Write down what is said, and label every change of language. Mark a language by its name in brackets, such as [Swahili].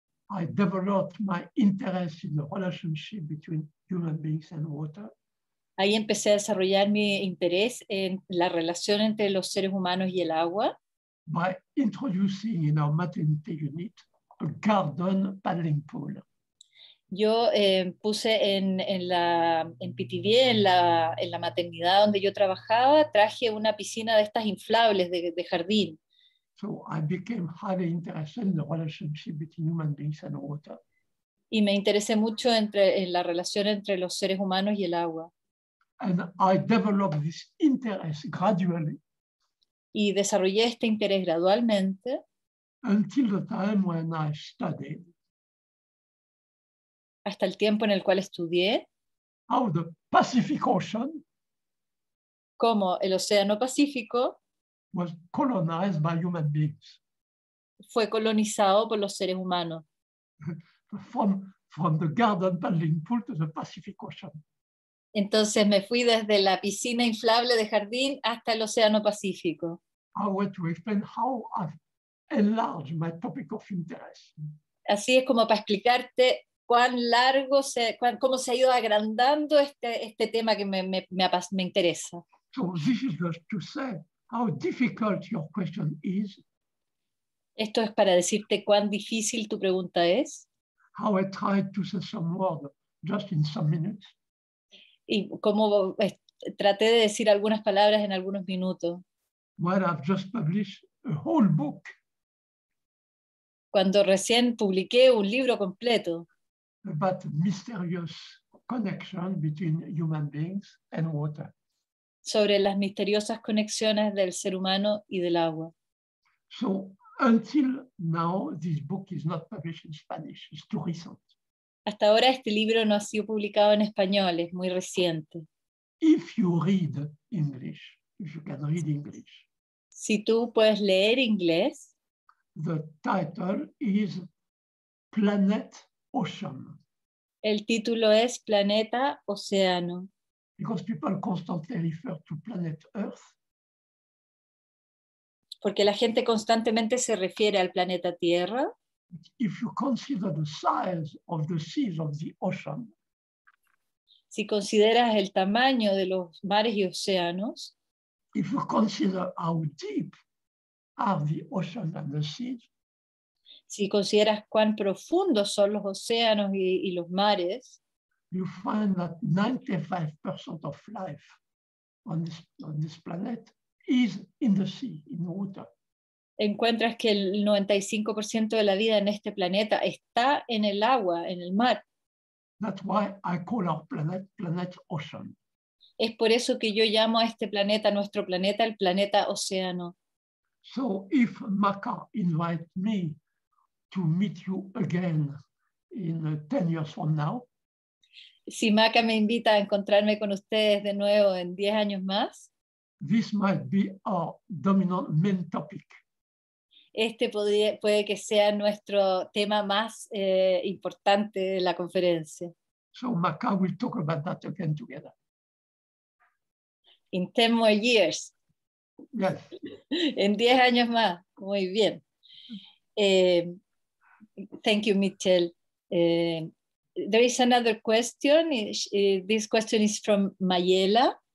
[English] I developed my interest in the relationship between human beings and water. [Spanish] Ahí empecé a desarrollar mi interés en la relación entre los seres humanos y el agua. [English] By introducing in our maternity unit a garden paddling pool. [Spanish] Yo puse en PTV, en la maternidad donde yo trabajaba, traje una piscina de estas inflables de jardín. [English] So I became highly interested in the relationship between human beings and water. [Spanish] Y me interesé mucho en la relación entre los seres humanos y el agua. [English] And I developed this interest gradually. [Spanish] Y desarrollé este interés gradualmente. [English] Until the time when I studied. [Spanish] Hasta el tiempo en el cual estudié. [English] How the Pacific Ocean. [Spanish] Como el Océano Pacífico. [English] Was colonized by human beings. [Spanish] Fue colonizado por los seres humanos. [English] From the garden paddling pool to the Pacific Ocean. [Spanish] Entonces me fui desde la piscina inflable de jardín hasta el Océano Pacífico. [English] I want to explain how I've enlarged my topic of interest. [Spanish] Así es como para explicarte cuán largo cómo se ha ido agrandando este tema que me interesa. [English] So this is just to say how difficult your question is. [Spanish] Esto es para decirte cuán difícil tu pregunta es. [English] How I tried to say some words just in some minutes. [Spanish] Y cómo traté de decir algunas palabras en algunos minutos. [English] Well, I've just published a whole book. [Spanish] Cuando recién publiqué un libro completo. [English] About the mysterious connection between human beings and water. [Spanish] Sobre las misteriosas conexiones del ser humano y del agua. [English] So, until now, this book is not published in Spanish. It's too recent. [Spanish] Hasta ahora este libro no ha sido publicado en español, es muy reciente. [English] If you read English, if you can read English. [Spanish] Si tú puedes leer inglés. [English] The title is Planet Ocean. [Spanish] El título es Planeta Océano. [English] Because people constantly refer to planet Earth. [Spanish] Porque la gente constantemente se refiere al planeta Tierra. [English] If you consider the size of the seas of the ocean, [Spanish] si consideras el tamaño de los mares y océanos, [English] if you consider how deep are the oceans and the seas, [Spanish] si consideras cuán profundos son los océanos y los mares, [English] you find that 95% of life on this planet is in the sea, in water. [Spanish] Encuentras que el 95% de la vida en este planeta está en el agua, en el mar. [English] That's why I call our planet, planet ocean. [Spanish] Es por eso que yo llamo a este planeta, nuestro planeta, el planeta océano. [English] So if Maka invite me to meet you again in 10 years from now. [Spanish] si Maca me invita a encontrarme con ustedes de nuevo en 10 años más. [English] This might be our dominant main topic. [Spanish] Este puede que sea nuestro tema más importante de la conferencia. [English] So Maca will talk about that again together. In 10 more years. Yes. [Spanish] En 10 años más. Muy bien. [English] Thank you, Michel. There is another question. This question is from Mayela.